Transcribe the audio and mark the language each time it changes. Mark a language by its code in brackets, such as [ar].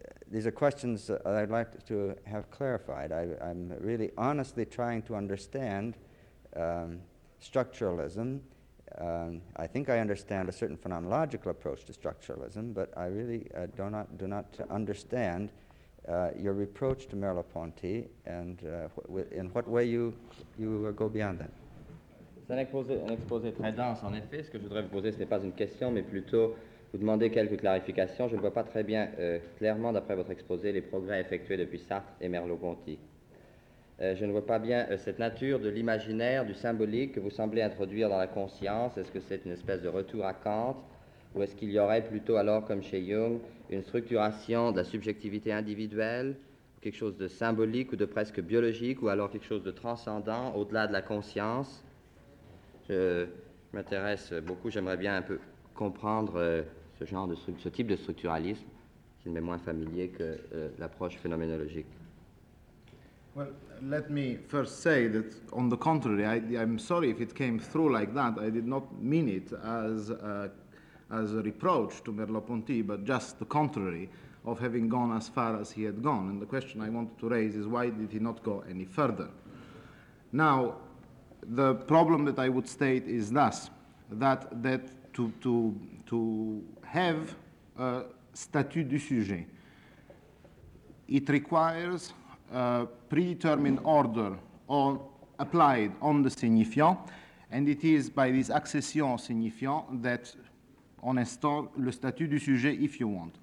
[en] These are questions that I'd like to have clarified. I'm really honestly trying to understand structuralism. I think I understand a certain phenomenological approach to structuralism, but I really do not understand your reproach to Merleau-Ponty and in what way you go beyond that. [fr] C'est un exposé très dense. En effet, ce que je voudrais vous poser, ce n'est pas une question, mais plutôt vous demander quelques clarifications. Je ne vois pas très bien, clairement, d'après votre exposé, les progrès effectués depuis Sartre et Merleau-Ponty. Je ne vois pas bien cette nature de l'imaginaire, du symbolique que vous semblez introduire dans la conscience. Est-ce que c'est une espèce de retour à Kant? Ou est-ce qu'il y aurait plutôt alors, comme chez Jung, une structuration de la subjectivité individuelle, quelque chose de symbolique ou de presque biologique, ou alors quelque chose de transcendant au-delà de la conscience? Je m'intéresse beaucoup, j'aimerais bien un peu comprendre ce type de structuralisme qui m'est moins familier que l'approche phénoménologique. [en] Well, let me first say that on the contrary, I'm sorry if it came through like that. I did not mean it as a reproach to Merleau-Ponty, but just the contrary of having gone as far as he had gone. And the question I wanted to raise is, why did he not go any further? Now, the problem that I would state is thus, that to have a statut du sujet, it requires a predetermined order applied on the signifiant, and it is by this accession signifiant that [fr] on instaure le statut du sujet, [en] if you want.